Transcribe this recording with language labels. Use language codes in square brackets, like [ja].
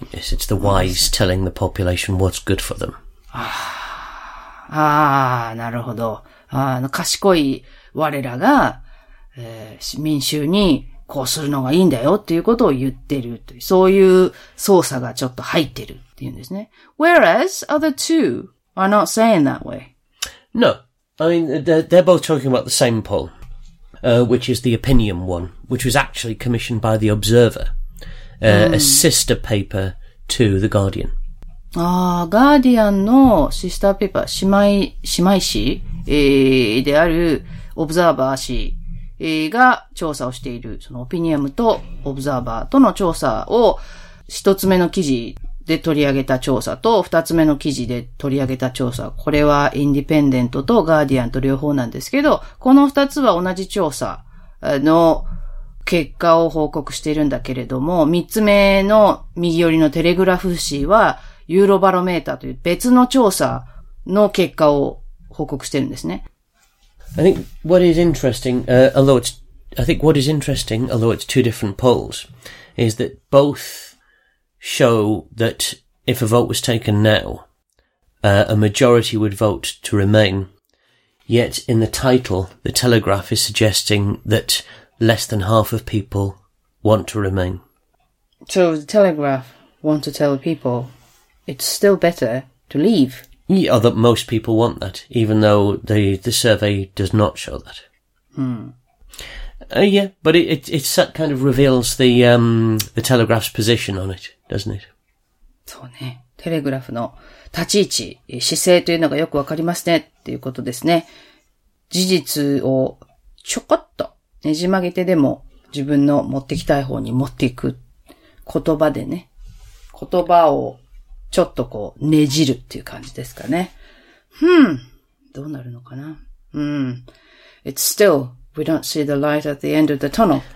[en] Yes, it's the wise telling the population what's good for them. [ja] ああ、なるほど。賢い我らが、民衆にこうするのがいいんだよっていうことを言ってるという、そういう操作がちょっと入ってるっていうんですね。 [en] Whereas other two are not saying that way. No, I mean, they're both talking about the same poll, which is the opinion one, which was actually commissioned by the Observer, a sister paper to the Guardian. ああ、ガーディアンのシスターペーパー、姉妹誌、であるオブザーバー誌が調査をしている、そのオピニアムとオブザーバーとの調査を一つ目の記事で取り上げた調査と二つ目の記事で取り上げた調査、これはインディペンデントとガーディアンと両方なんですけど、この二つは同じ調査の結果を報告しているんだけれども、三つ目の右寄りのテレグラフ誌はユーロバロメーターという別の調査の結果を報告してるんですね。 I think what is interesting, although it's two different polls, is that both show that if a vote was taken now, a majority would vote to remain. Yet in the title, the Telegraph is suggesting that less than half of people want to remain. So the Telegraph want to tell people it's still better to leave. Yeah, or that most people want that, even though the survey does not show that. Yeah, but it kind of reveals the Telegraph's position on it, doesn't it? [ja] そうね。テレグラフの立ち位置、姿勢というのがよくわかりますねっていうことですね。事実をちょこっとねじ曲げてでも自分の持ってきたい方に持っていく言葉でね。言葉をちょっとこうねじるっていう感じですかね。どうなるのかな。 [en] It's still we don't see the light at the end of the tunnel.